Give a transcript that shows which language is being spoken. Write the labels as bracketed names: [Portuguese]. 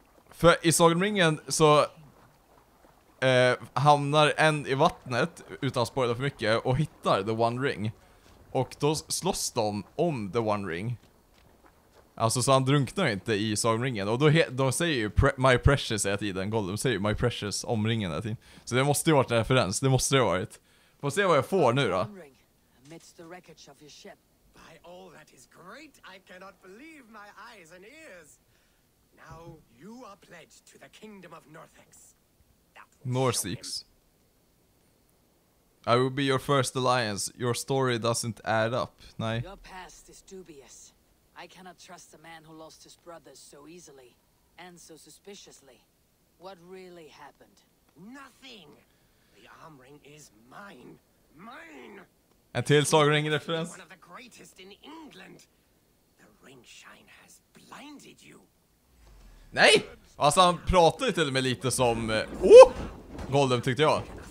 [Swedish] För i Sagan om ringen så... hamnar en i vattnet utan att spoila för mycket och hittar The One Ring. Och då slåss de om The One Ring. Alltså så han drunknar inte i Sagan om ringen. Och då säger ju My Precious hela tiden. Gollum säger ju My Precious om ringen hela tiden. Så det måste ju varit en referens. Det måste det ha varit. Får se vad jag får nu då. [English] Amidst the wreckage of your ship. By all that is great, I cannot believe my eyes and ears. Now you are pledged to the kingdom of Northex. Northex. I will be your first alliance. Your story doesn't add up. [Swedish] Nej. [English] Your past is dubious. I cannot trust a man who lost his brothers so easily and so suspiciously. What really happened? Nothing. The arm ring is mine. Mine. [Swedish] En till sagring i referens. [English] One of the greatest in England. The ring shine has blinded you. [Swedish] Nej. Alltså han pratade till och med lite som Golden tyckte jag.